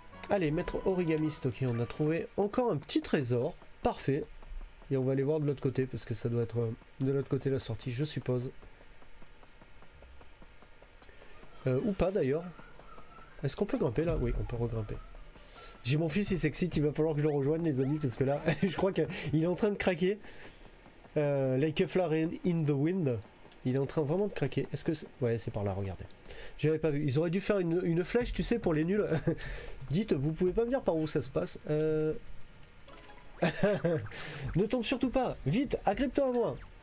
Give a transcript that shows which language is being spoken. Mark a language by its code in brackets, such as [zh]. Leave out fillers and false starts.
[fr] Allez, maître origamiste. Ok, on a trouvé encore un petit trésor. Parfait. Et on va aller voir de l'autre côté. Parce que ça doit être de l'autre côté la sortie je suppose. Ou pas d'ailleurs. Est-ce qu'on peut grimper là? Oui, on peut regrimper. J'ai mon fils, il s'excite. Il va falloir que je le rejoigne les amis. Parce que là, je crois qu'il est en train de craquer. [en] Like a flower in the wind. [fr] Il est en train vraiment de craquer. Est-ce que c'est... Ouais, c'est par là, regardez. J'avais pas vu. Ils auraient dû faire une flèche, tu sais, pour les nuls. Dites, vous pouvez pas me dire par où ça se passe. Ne tombe surtout pas. Vite, agrippe-toi à moi.